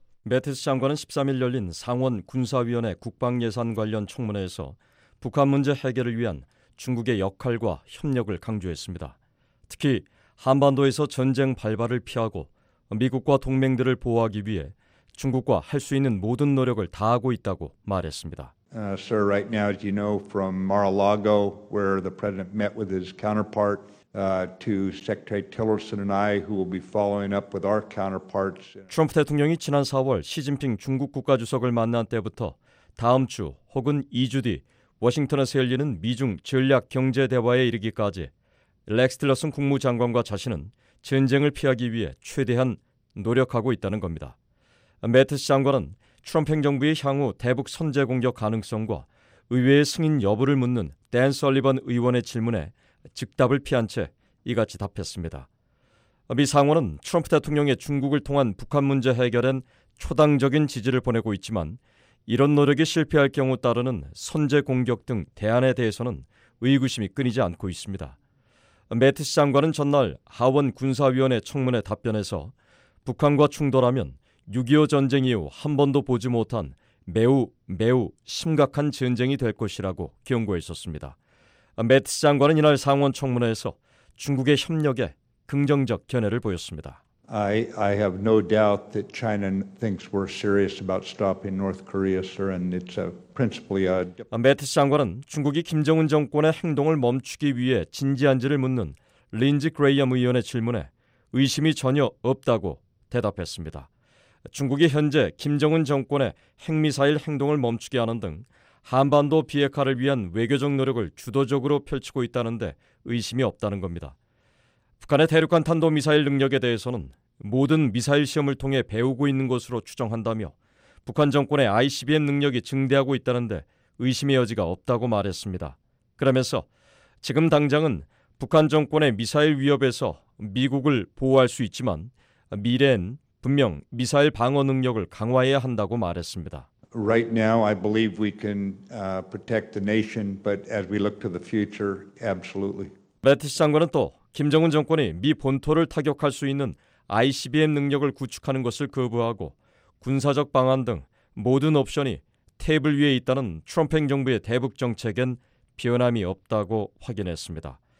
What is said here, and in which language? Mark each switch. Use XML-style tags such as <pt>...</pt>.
<ko>매티스 장관은 13일 열린 상원 군사위원회 국방예산 관련 청문회에서 북한 문제 해결을 위한 중국의 역할과 협력을 강조했습니다. 특히 한반도에서 전쟁 발발을 피하고 미국과 동맹들을 보호하기 위해 중국과 할 수 있는 모든 노력을 다하고 있다고 말했습니다.</ko> <en>Sir, right now, as you know, from Mar-a-Lago, where the president met with his counterpart, to Secretary Tillerson and I, who will be following up with our counterparts.</en> <ko>트럼프 대통령이 지난 4월 시진핑 중국 국가주석을 만난 때부터 다음 주 혹은 2주 뒤 워싱턴에서 열리는 미중 전략 경제 대화에 이르기까지 렉스 틸러슨 국무장관과 자신은 전쟁을 피하기 위해 최대한 노력하고 있다는 겁니다. 매티스 장관은 트럼프 행정부의 향후 대북 선제 공격 가능성과 의회의 승인 여부를 묻는 댄 설리번 의원의 질문에 즉답을 피한 채 이같이 답했습니다. 미 상원은 트럼프 대통령의 중국을 통한 북한 문제 해결엔 초당적인 지지를 보내고 있지만 이런 노력이 실패할 경우 따르는 선제 공격 등 대안에 대해서는 의구심이 끊이지 않고 있습니다. 매티스 장관은 전날 하원 군사위원회 청문회 답변에서 북한과 충돌하면 6.25 전쟁 이후 한 번도 보지 못한 매우 심각한 전쟁이 될 것이라고 경고했었습니다. 매트 장관은 이날 상원 청문회에서 중국의 협력에 긍정적 견해를 보였습니다.</ko> <en>I have no doubt that China thinks we're serious about stopping North Korea, sir, and it's a principally a.</en> <ko>매트 장관은 중국이 김정은 정권의 행동을 멈추기 위해 진지한지를 묻는 린지 그레이엄 의원의 질문에 의심이 전혀 없다고 대답했습니다. 중국이 현재 김정은 정권의 핵미사일 행동을 멈추게 하는 등 한반도 비핵화를 위한 외교적 노력을 주도적으로 펼치고 있다는데 의심이 없다는 겁니다. 북한의 대륙간 탄도미사일 능력에 대해서는 모든 미사일 시험을 통해 배우고 있는 것으로 추정한다며 북한 정권의 ICBM 능력이 증대하고 있다는데 의심의 여지가 없다고 말했습니다. 그러면서 지금 당장은 북한 정권의 미사일 위협에서 미국을 보호할 수 있지만 미래엔 분명 미사일 방어 능력을 강화해야 한다고 말했습니다.</ko> <en>Right now, I believe we can protect the nation, but as we look to the future, absolutely.</en> <ko>매티스 장관은 또 김정은 정권이 미 본토를 타격할 수 있는 ICBM 능력을 구축하는 것을 거부하고 군사적 방안 등 모든 옵션이 테이블 위에 있다는 트럼프 행정부의 대북 정책엔 변함이 없다고 확인했습니다.</ko>